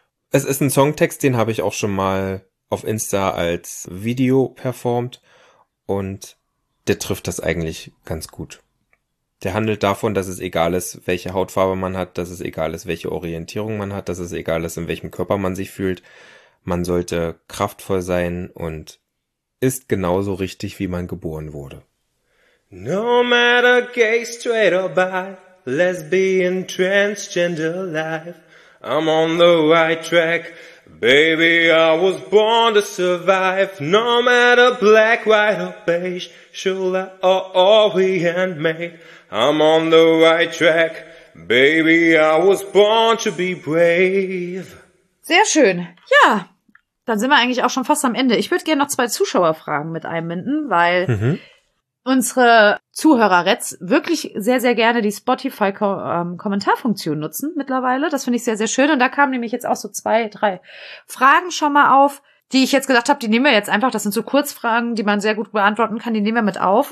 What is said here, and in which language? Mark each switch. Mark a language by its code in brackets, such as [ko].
[de] Es ist ein Songtext, den habe ich auch schon mal auf Insta als Video performt und der trifft das eigentlich ganz gut. Der handelt davon, dass es egal ist, welche Hautfarbe man hat, dass es egal ist, welche Orientierung man hat, dass es egal ist, in welchem Körper man sich fühlt. Man sollte kraftvoll sein und ist genauso richtig, wie man geboren wurde. [en] No matter gay, straight or bi, lesbian, transgender life. I'm on the right track, baby, I was born to survive. No matter black, white or beige, shoulder or all we handmade. I'm on the right track, baby, I was born to be brave. [de] Sehr schön. Ja, dann sind wir eigentlich auch schon fast am Ende. Ich würde gerne noch 2 Zuschauerfragen mit einbinden, weil unsere Zuhörerets wirklich sehr, sehr gerne die Spotify-Kommentarfunktion nutzen mittlerweile. Das finde ich sehr, sehr schön. Und da kamen nämlich jetzt auch so 2, 3 Fragen schon mal auf, die ich jetzt gesagt habe, die nehmen wir jetzt einfach. Das sind so Kurzfragen, die man sehr gut beantworten kann. Die nehmen wir mit auf.